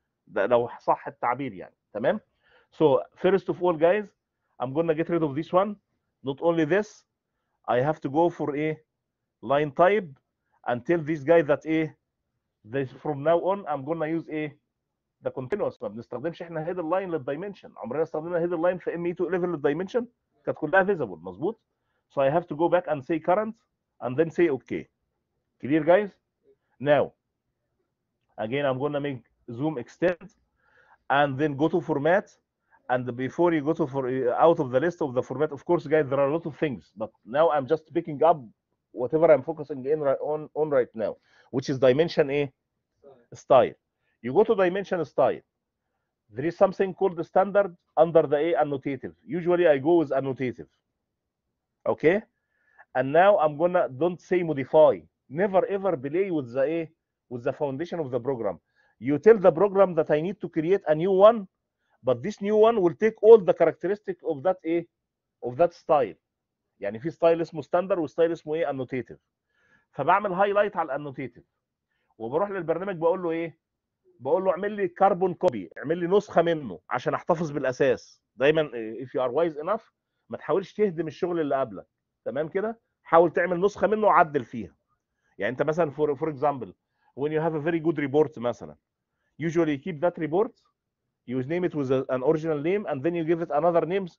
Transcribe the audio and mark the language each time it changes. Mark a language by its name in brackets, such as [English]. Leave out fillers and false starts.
[Arabic] ده لو صح التعبير يعني, تمام؟ [English] So first of all guys, I'm gonna get rid of this one. Not only this, I have to go for a line type and tell this guy that a this from now on I'm gonna use a the continuous. [Arabic] ما بنستخدمش احنا هيد اللاين للدايمنشن, عمرنا استخدمنا هيد اللاين في ام اي 2 11 للدايمنشن, كانت كلها فيزبل مظبوط. [English] So I have to go back and say current and then say okay. Clear guys? Now, again, I'm gonna make zoom extend and then go to format. And before you go to for out of the list of the format, of course, guys, there are a lot of things, but now I'm just picking up whatever I'm focusing in right on right now, which is dimension A style. You go to dimension style. There is something called the standard under the A annotative. Usually I go with annotative. Okay, and now I'm gonna don't say modify. Never ever play with the A, with the foundation of the program. You tell the program that I need to create a new one, but this new one will take all the characteristic of that A, of that style. [Arabic] يعني في style اسمه standard وstyle اسمه A annotative. فبعمل highlight على annotative. وبروح للبرنامج بقول له إيه؟ بقول له اعمل لي carbon copy, اعمل لي نسخة منه عشان احتفظ بالأساس. [English] دايما if you are wise enough. [Arabic] ما تحاولش تهدم الشغل اللي قبلك, تمام كده؟ حاول تعمل نسخه منه وعدل فيها. يعني انت مثلا [English] for example when you have a very good report مثلا, usually you keep that report, you name it with an original name and then you give it another name.